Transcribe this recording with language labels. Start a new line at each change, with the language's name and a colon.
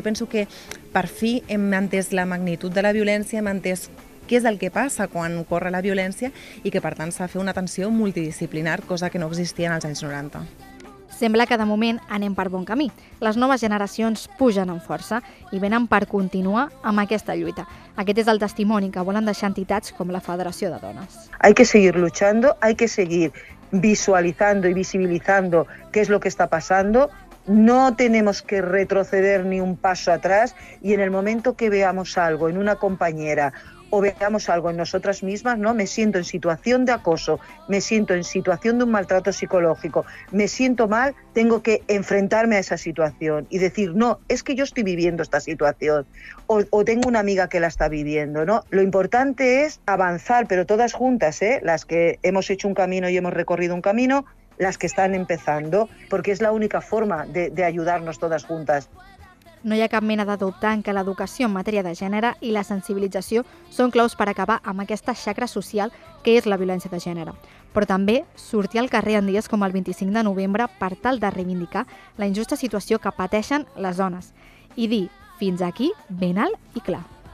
Catalan: Jo penso que per fi hem entès la magnitud de la violència, hem entès què és el que passa quan ocorre la violència i que, per tant, s'ha de fer una atenció multidisciplinar, cosa que no existia en els anys 90. Sembla que, de moment, anem per bon camí. Les noves generacions pugen amb força i venen per continuar amb aquesta lluita. Aquest és el testimoni que volen deixar entitats com la Federació de Dones.
Spanish: Hay que seguir luchando, hay que seguir visualizando y visibilizando qué es lo que está pasando. No tenemos que retroceder ni un paso atrás y en el momento que veamos algo en una compañera o veamos algo en nosotras mismas, ¿no? Me siento en situación de acoso, me siento en situación de un maltrato psicológico, me siento mal, tengo que enfrentarme a esa situación y decir, no, es que yo estoy viviendo esta situación, o tengo una amiga que la está viviendo, ¿no? Lo importante es avanzar, pero todas juntas, ¿eh? Las que hemos hecho un camino y hemos recorrido un camino, las que están empezando, porque es la única forma de ayudarnos todas juntas.
Catalan: No hi ha cap mena de dubte en que l'educació en matèria de gènere i la sensibilització són claus per acabar amb aquesta xacra social que és la violència de gènere. Però també sortir al carrer en dies com el 25 de novembre per tal de reivindicar la injusta situació que pateixen les dones i dir fins aquí ben alt i clar.